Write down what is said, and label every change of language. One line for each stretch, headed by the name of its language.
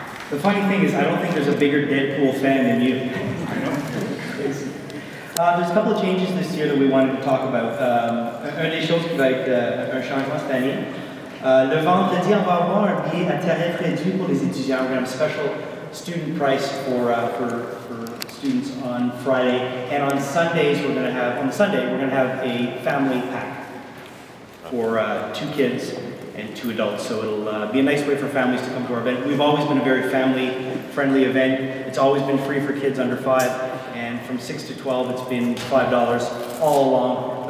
English: The funny thing is, I don't think there's a bigger Deadpool fan than you. There's a couple of changes this year that we wanted to talk about.
French: Un des choses qui va être un changement cette année. Le vendredi, on va avoir un billet à tarif réduit pour les étudiants.
English: We have a special student price for students on Friday. And on Sundays, we're going to have a family pack for two kids and two adults. So it'll be a nice way for families to come to our event. We've always been a very family-friendly event. It's always been free for kids under 5. And from 6 to 12, it's been $5 all along.